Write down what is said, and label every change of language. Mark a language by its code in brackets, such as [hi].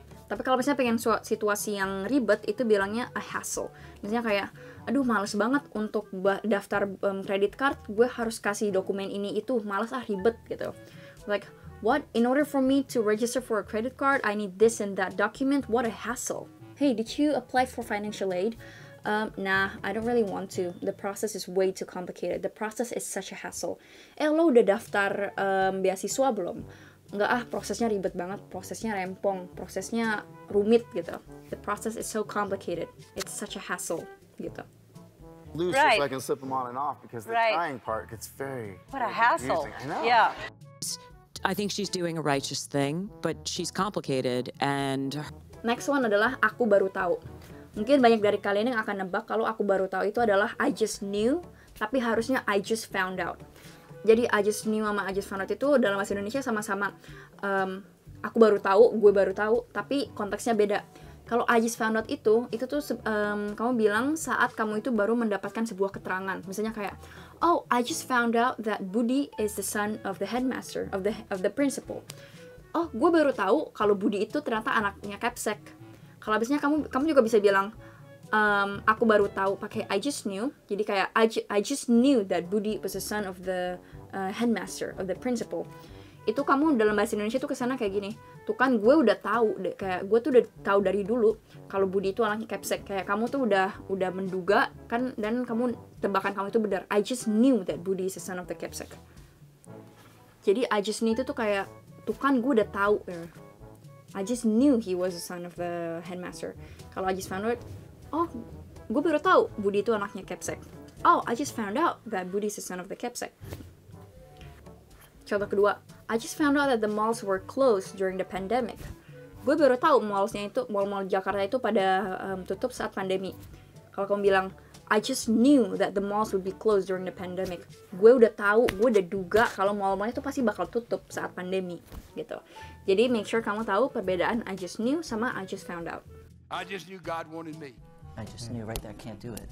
[id] Tapi kalau misalnya pengen situasi yang ribet, itu bilangnya [en] a hassle. [id] Misalnya kayak, aduh males banget untuk daftar credit card, gue harus kasih dokumen ini itu, males ah ribet gitu. [en] Like, what? In order for me to register for a credit card, I need this and that document, what a hassle. Hey, did you apply for financial aid? Nah, I don't really want to. The process is way too complicated. The process is such a hassle. [id] Lo udah daftar beasiswa belum? Enggak ah, prosesnya ribet banget, prosesnya rempong, prosesnya rumit gitu. [en] The process is so complicated. It's such a hassle [id] gitu. [en] Loose, right. So I can slip them on and off because the right. Tying part gets very what a hassle. Confusing. I know. Yeah. I think she's doing a righteous thing, but she's complicated and next one [id] adalah aku baru tahu. Mungkin banyak dari kalian yang akan nebak kalau aku baru tahu itu adalah [en] I just knew, [id] tapi harusnya [en] I just found out. [id] Jadi [en] I just knew [id] sama [en] I just found out [id] itu dalam bahasa Indonesia sama-sama aku baru tahu, gue baru tahu, tapi konteksnya beda. Kalau [en] I just found out [id] itu tuh kamu bilang saat kamu itu baru mendapatkan sebuah keterangan. Misalnya kayak, [en] oh I just found out that Budi is the son of the headmaster, of the principal. [id] Oh gue baru tahu kalau Budi itu ternyata anaknya Kepsek. Kalau biasanya kamu juga bisa bilang aku baru tahu pakai [en] I just knew. [id] Jadi kayak [en] I just knew that Budi was the son of the headmaster of the principal. [id] Itu kamu dalam bahasa Indonesia tuh kesana kayak gini. Tuh kan gue udah tahu deh, kayak gue tuh udah tahu dari dulu kalau Budi itu anaknya Kepsek. Kayak kamu tuh udah menduga kan, dan kamu tebakan kamu itu benar. [en] I just knew that Budi is the son of the Kepsek. [id] Jadi [en] I just knew [id] itu tuh kayak tuh kan gue udah tahu. [en] I just knew he was the son of the headmaster. [id] Kalau [en] I just found out, [id] oh, gue baru tahu Budi itu anaknya Kepsek. [en] Oh, I just found out that Budi is the son of the Kepsek. [id] Contoh kedua, [en] I just found out that the malls were closed during the pandemic. [id] Gue baru tahu mallsnya itu, mall-mall Jakarta itu pada tutup saat pandemi. Kalau kamu bilang, [en] I just knew that the malls would be closed during the pandemic. [id] Gue udah tahu, gue udah duga kalau mall-mallnya itu pasti bakal tutup saat pandemi, gitu. Jadi [en] make sure [id] kamu tahu perbedaan [en] I just knew [id] sama [en] I just found out. I just knew God wanted me. I just knew right there I can't do it.